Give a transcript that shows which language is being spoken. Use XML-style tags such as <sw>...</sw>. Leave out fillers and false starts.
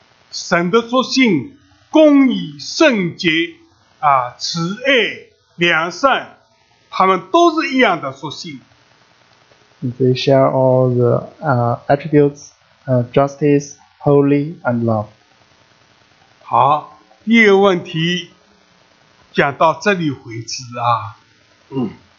<zh>神的属性，公义、圣洁、慈爱、良善，他们都是一样的属性。</zh> <en>They share all the attributes, justice, holy, and love.</en> <zh>好，第二个问题讲到这里为止啊。</zh>